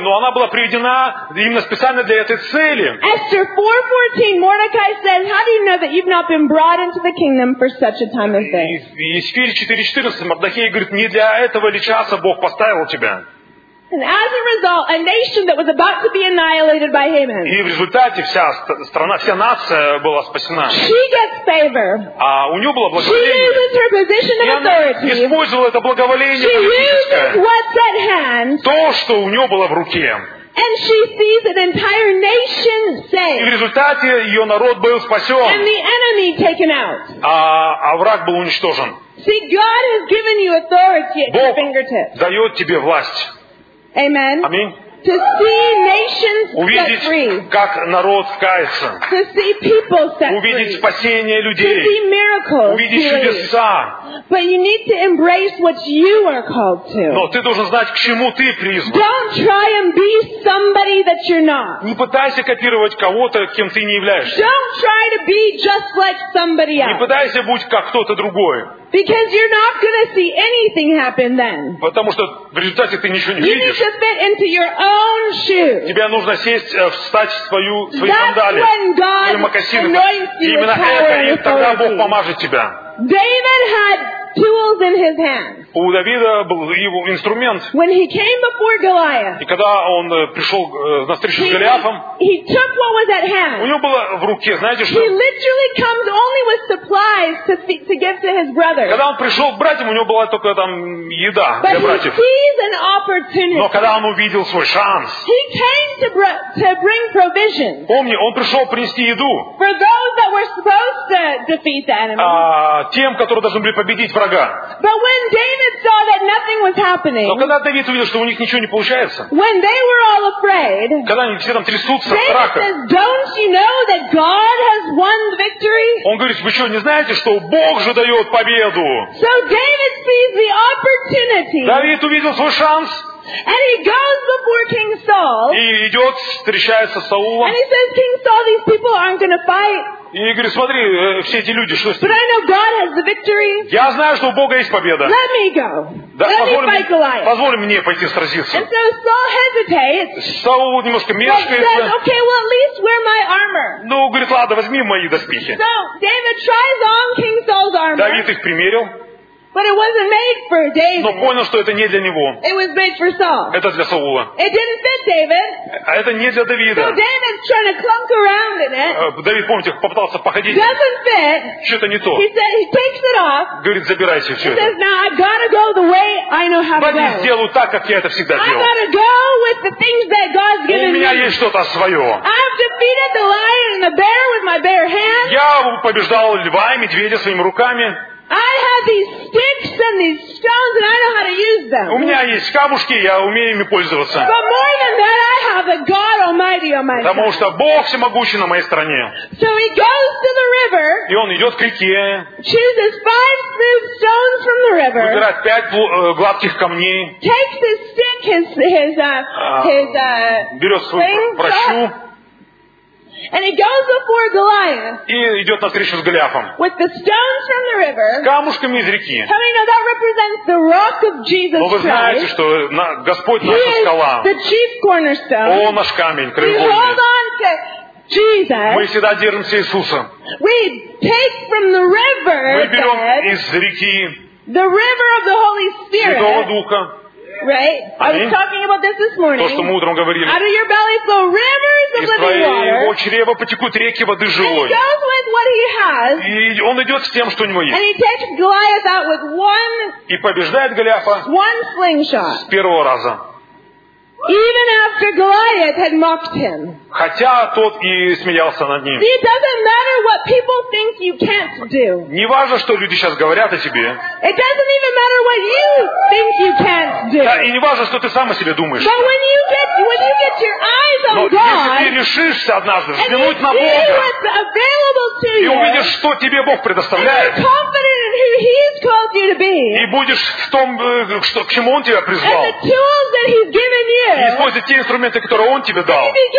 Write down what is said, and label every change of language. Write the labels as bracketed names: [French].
[Russian] Но она была приведена именно специально для этой цели. [English] Esther 4:14, Mordecai says, how do you know that you've not been brought into the kingdom for such a time as this? [Russian] Эсфирь 4:14, Мордехай говорит, не для этого ли часа Бог поставил тебя? [English] And as a result, a nation that was about to be annihilated by Haman. [Russian] И в результате вся страна, вся нация была спасена. [English] She gets favor. [Russian] А у нее было благоволение. [English] She uses her position of authority. [Russian] И она использовала это благоволение. [English] She uses what's at hand. [Russian] То, что у нее было в руке. [English] And she sees an entire nation saved. [Russian] И в результате ее народ был спасен. [English] And the enemy taken out. [Russian] А враг был уничтожен. [English] See, God has given you authority at your fingertips. [Russian] Бог дает тебе власть. [English] Amen. Amen. To see nations set free. [Russian] Увидеть, как народ кается. [English] To see people set free. [Russian] Увидеть спасение людей. [English] To see miracles. [Russian] Увидеть чудеса. [English] But you need to embrace what you are called to. [Russian] Но ты должен знать, к чему ты призван. [English] Don't try and be somebody that you're not. [Russian] Не пытайся копировать кого-то, кем ты не являешься. [English] Don't try to be just like somebody else. [Russian] Не пытайся быть как кто-то другой. [English] Because you're not going to see anything happen then. [Russian] Потому что в результате ты ничего не [English] видишь. You need to fit into your own shoe. [Russian] Тебе нужно встать в свои сандалии. [English] That's when God anoints you with power and authority. [Russian] Именно это, и тогда Бог поможет тебя. [English] David had tools in his hands. [Russian] У Давида был его инструмент. [English] When he came before Goliath. [Russian] И когда он пришел на встречу с Голиафом. [English] He took what was at hand. [Russian] У него было в руке, знаете что? [English] He literally comes only with supplies to give to his brothers. [Russian] Когда он пришел к братьям, у него была только там еда [English] But [Russian] для братьев. [English] But he sees an opportunity. [Russian] Но когда он увидел свой шанс. [English] He came to bring provision. [Russian] Помни, он пришел принести еду. [English] For those that were supposed to defeat the enemy. [Russian] Тем, которые должны были победить врага. [English] But when David saw that nothing was happening, [Russian] но когда Давид увидел, что у них ничего не получается, [English] when they were all afraid, [Russian] когда они все там трясутся [English] David [Russian] от страха, [English] says, "Don't you know that God has won the victory?" [Russian] Он говорит, вы что, не знаете, что Бог же дает победу? [English] So David sees the opportunity, [Russian] Давид увидел свой шанс, [English] and he goes before King Saul, [Russian] и идет, встречается с Саулом, [English] and he says, "King Saul, these people aren't going to fight." [Russian] И говорю, смотри, все эти люди, что с ними? Я знаю, что у Бога есть победа. Позволь мне пойти сразиться. [English] So Saul hesitates, [Russian] Саул немножко мешкает. [English] Says, okay, well, at least wear my armor. [Russian] Ну, говорит, ладно, возьми мои доспехи. [English] So David tries on King Saul's armor. [Russian] Давид их примерил. [English] But it wasn't made for David. [Russian] Но понял, что это не для него. [English] It was made for Saul. [Russian] Это для Саула. [English] It didn't fit David. [Russian] А это не для Давида. [English] So David's trying to clunk around in it. [Russian] Давид, помните, попытался походить. [English] Doesn't fit. [Russian] Что-то не то. [English] He said he takes it off. [Russian] Говорит, забирайте все. [English] He says, now I gotta go the way I know how to go. [Russian] Я сделаю так, как я это всегда делал. [English] I gotta go with the things that God's given me. [Russian] У меня есть что-то свое. [English] I've defeated the lion and the bear with my bare hands. [Russian] Я побеждал льва и медведя своими руками. [English] I have these sticks and these stones, and I know how to use them. [Russian] У меня есть камушки, я умею ими пользоваться. [English] But more than that, I have a God Almighty on my side. [Russian] Потому что Бог всемогущий на моей стороне. [English] So he goes to the river. [Russian] И он идет к реке. [English] Chooses five smooth stones from the river. [Russian] Выбирает пять гладких камней. [English] Takes his stick, [Russian] берет свою прощу. [English] And he goes before Goliath. [Russian] И идет на встречу с Голиафом. [English] With the stones from the river. [Russian] С камушками из реки. [English] How many know that represents the rock of Jesus Christ? [Russian] Но вы знаете, что Господь наша скала. [English] He is the chief cornerstone. [Russian] Он наш камень, краеугольник. [English] We hold on to Jesus. [Russian] Мы всегда держимся Иисуса. [English] We take from the river. [Russian] Мы берем из реки. [English] The river of the Holy Spirit. [Russian] Святого Духа. [English] Right? I was talking about this morning. [Russian] То, что мы утром говорили. [English] Out of your belly flow rivers of living water. [Russian] Из твоего чрева потекут реки воды живой. [English] He goes with what he has. [Russian] И он идет с тем, что у него есть. [English] And he takes Goliath out with one. [Russian] И побеждает Голиафа. [English] One slingshot. [Russian] С первого раза. [English] Even after Goliath had mocked him. [Russian] Хотя тот и смеялся над ним. [English] It doesn't matter what people think you can't do. [Russian] Не важно, что люди сейчас говорят о тебе. [English] It doesn't even matter what you think you can't do. [Russian] Да, и не важно, что ты сам о себе думаешь. [English] But when you get your eyes on God. [Russian] Но если ты решишься однажды взглянуть на Бога. [English] And you see what's available to you. [Russian] И увидишь, что тебе Бог предоставляет. [English] And you're confident in who He's called you to be. [Russian] И будешь в том, что к чему Он тебя призвал. [English] And the tools that He's given you. [Russian] И используй те инструменты, которые Он тебе дал.